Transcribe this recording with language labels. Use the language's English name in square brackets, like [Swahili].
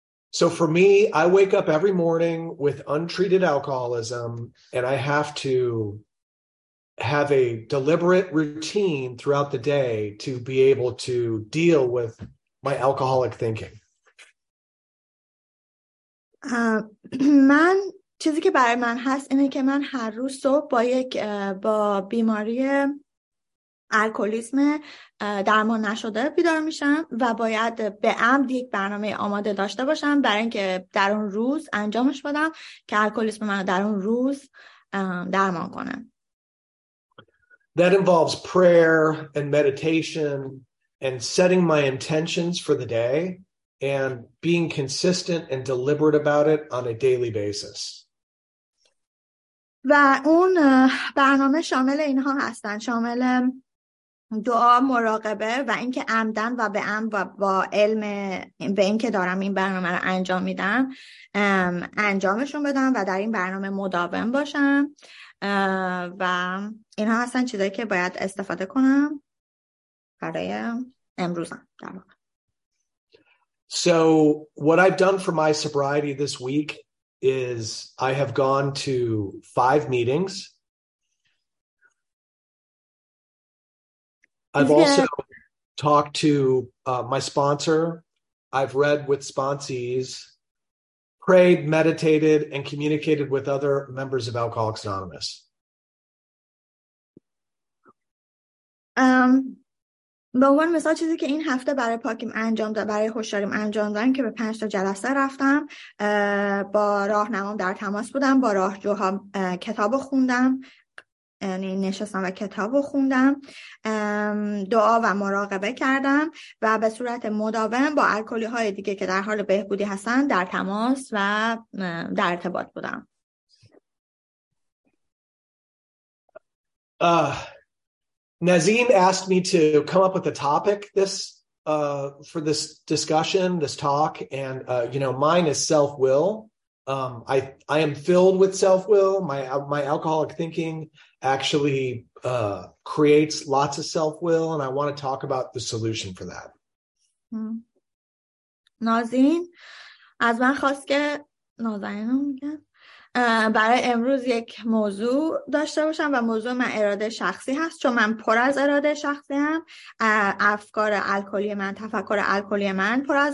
[English] So for me, I wake up every morning with untreated alcoholism and I have to have a deliberate routine throughout the day to be able to deal with my alcoholic thinking. [Persian] من چیزی که برای من هست اینه که من هر روز صبح با بیماری الکلیسم درمان نشده بیدار میشم و باید به عمد یک برنامه آماده داشته باشم برای اینکه در اون روز انجامش بدم که الکلیسم من در اون روز درمان کنم. [English] That involves prayer and meditation and setting my intentions for the day and being consistent and deliberate about it on a daily basis. [Persian] و اون برنامه شامل اینها هستن، شامل دعا، مراقبه و اینکه عمدن و به عمد و با علم به اینکه دارم این برنامه رو انجام میدم انجامشون بدم و در این برنامه مداوم باشم و اینها هستن چیزایی که باید استفاده کنم برای امروزم در واقع. [English] So what I've done for my sobriety this week is I have gone to 5 meetings. I've also talked to my sponsor. I've read with sponsees, prayed, meditated, and communicated with other members of Alcoholics Anonymous. [Persian] به عنوان مثال چیزی که این هفته برای پاکیم انجام داد، برای هوشیاریم انجام دادم که به 5 تا جلسه رفتم، با راهنمام در تماس بودم، با راهجوها کتابو خوندم، یعنی نشستم و کتاب رو خوندم، دعا و مراقبه کردم و به صورت مداوم با الکلی های دیگه که در حال بهبودی هستن در تماس و در ارتباط بودم. [English] Nazim asked me to come up with a topic for this discussion, this talk, and you know, mine is self-will. I am filled with self-will. My alcoholic thinking actually creates lots of self-will, and I want to talk about the solution for that. [Persian] Nazim, از من خواست که نازنینم میگم برای امروز یک موضوع داشته باشم و موضوع من اراده شخصی هست، چون من پر از اراده شخصی هم، افکار الکلی من، تفکر الکلی من